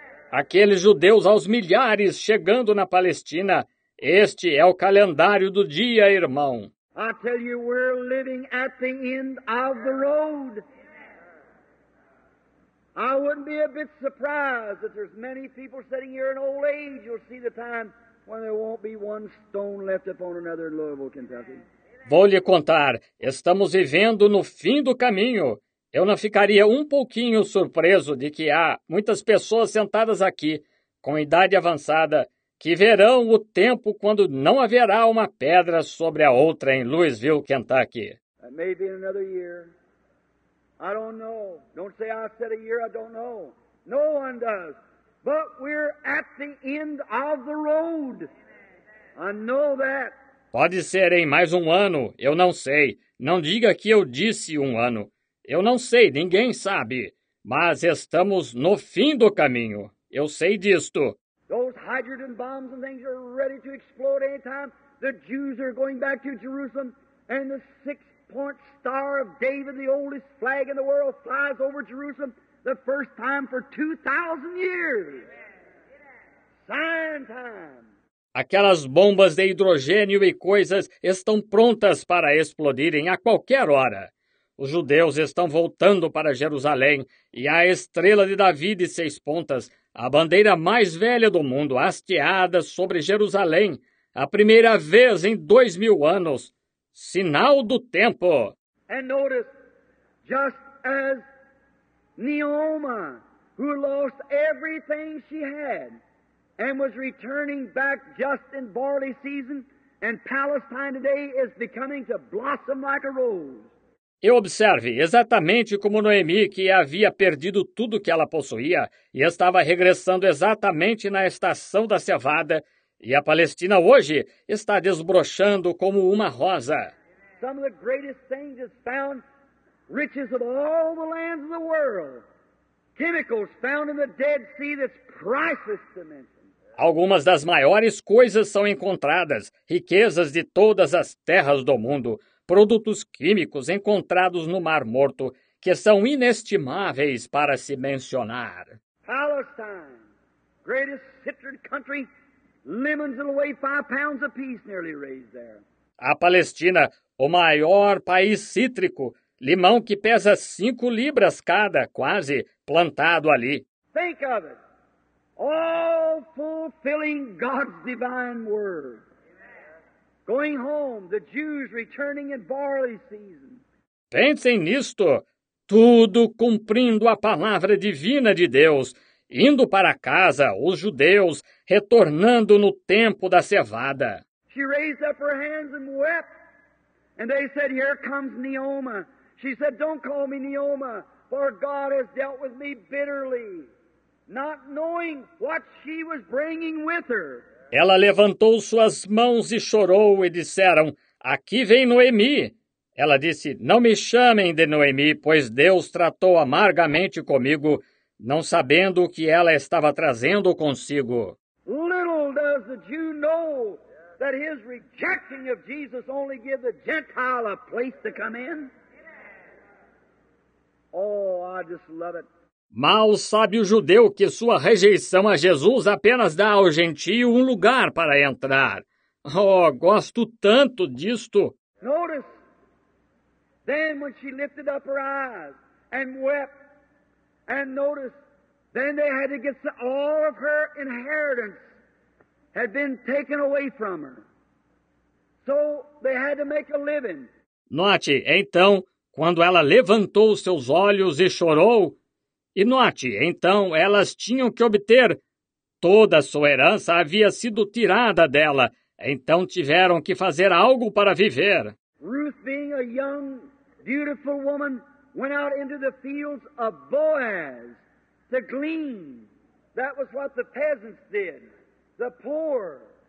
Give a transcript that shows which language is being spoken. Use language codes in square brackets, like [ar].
[pt] Aqueles judeus aos milhares chegando na Palestina. Este é o calendário do dia, irmão. [en] I tell you, we're living at the end of the road. I wouldn't be a bit surprised if there's many people sitting here in old age. You'll see the time when there won't be one stone left upon another in Louisville, Kentucky. [pt] Vou lhe contar. Estamos vivendo no fim do caminho. Eu não ficaria um pouquinho surpreso de que há muitas pessoas sentadas aqui, com idade avançada, que verão o tempo quando não haverá uma pedra sobre a outra em Louisville, Kentucky. [en] That may be in another year. I don't know. Don't say I said a year, I don't know. No one does. But we're at the end of the road. I know that. [pt] Pode ser em mais um ano, eu não sei. Não diga que eu disse um ano. Eu não sei, ninguém sabe. Mas estamos no fim do caminho. Eu sei disto. [en] Those hydrogen bombs and things are ready to explode anytime. The Jews are going back to Jerusalem and the six point star of David, the oldest flag in the world, flies over Jerusalem the first time for 2,000 years. Sign time. [pt] Aquelas bombas de hidrogênio e coisas estão prontas para explodirem a qualquer hora. Os judeus estão voltando para Jerusalém e a estrela de Davi de seis pontas, a bandeira mais velha do mundo, hasteada sobre Jerusalém, a primeira vez em 2,000 anos. Sinal do tempo. [en] And notice, just as Naomi, who lost everything she had, and was returning back just in barley season, and Palestine today is becoming to blossom like a rose. [pt] E observe, exatamente como Noemi, que havia perdido tudo que ela possuía, e estava regressando exatamente na estação da cevada, e a Palestina hoje está desbrochando como uma rosa. [en] Some of the greatest things is found riches of all the lands of the world. Chemicals found in the Dead Sea that's priceless to mention. [pt] Algumas das maiores coisas são encontradas, riquezas de todas as terras do mundo, produtos químicos encontrados no Mar Morto, que são inestimáveis para se mencionar. [en] Palestine, greatest citrus country. Lemons will weigh 5 pounds apiece nearly raised there. [pt] A Palestina, o maior país cítrico, limão que pesa 5 libras cada, quase, plantado ali. [en] Think of it. All fulfilling God's divine word. Amen. Going home, the Jews returning in barley season. [pt] Pensem nisto. Tudo cumprindo a palavra divina de Deus. Indo para casa, os judeus, retornando no tempo da cevada. [en] She raised up her hands and wept. And they said, here comes Naomi. She said, don't call me Naomi, for God has dealt with me bitterly. Not knowing what she was bringing with her. [pt] Ela levantou suas mãos e chorou e disseram, aqui vem Noemi. Ela disse, não me chamem de Noemi, pois Deus tratou amargamente comigo, não sabendo o que ela estava trazendo consigo. [en] Little does the Jew know that his rejecting of Jesus only gave the Gentile a place to come in. Oh, I just love it. [pt] Mal sabe o judeu que sua rejeição a Jesus apenas dá ao gentio um lugar para entrar. Oh, gosto tanto disto. [en] Notice, then when she lifted up her eyes and wept, and notice, then they had to get all of her inheritance had been taken away from her. So they had to make a living. [pt] Note, então, quando ela levantou seus olhos e chorou, e note, então, elas tinham que obter. Toda sua herança havia sido tirada dela. Então tiveram que fazer algo para viver. [en] Ruth, being a young, beautiful woman, went out into the fields of Boaz to glean. That was what the peasants did, the poor.